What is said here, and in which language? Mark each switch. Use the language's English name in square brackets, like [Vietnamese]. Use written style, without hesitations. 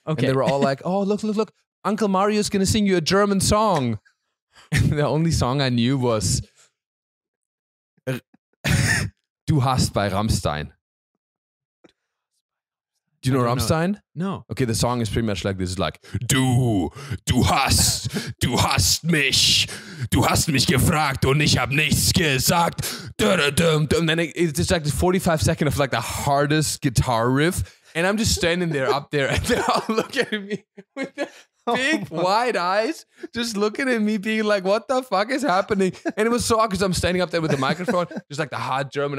[English] And they were all like, oh, look, Uncle Mario's going to sing you a German song. And the only song I knew was, Du hast by Rammstein. Do you know Rammstein? No. Okay, the song is pretty much like this. It's like, [German] du hast mich gefragt und ich hab nichts gesagt. Dun. [English] And then it's just like 45 seconds of like the hardest guitar riff. And I'm just standing there up there and they're all looking at me with big wide eyes, just looking at me being like, what the fuck is happening? And it was so awkward because I'm standing up there with the microphone, just like the hard German.